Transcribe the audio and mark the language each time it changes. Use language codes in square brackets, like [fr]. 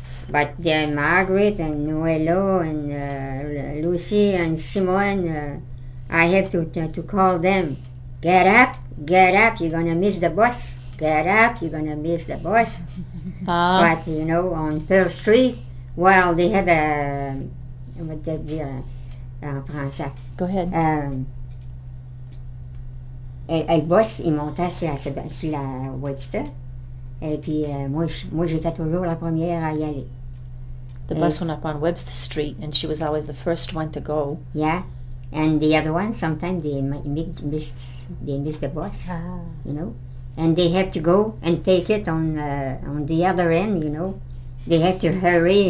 [en] But then Margaret and Noello and Lucy and Simone, I have to call them. Get up, you're going to miss the bus. Get up, you're going to miss the bus. But, you know, on Pearl Street, well, they have a, what did they say? Go ahead. [fr] Elle bosse, elle montait sur la Webster. Et puis moi j'étais toujours la première à y aller. [en] The bus went up on Webster Street and she was always the first one to go. Yeah. And the other one, sometimes they missed the bus, you know. And they have to go and take it on the other end, you know. They had to hurry.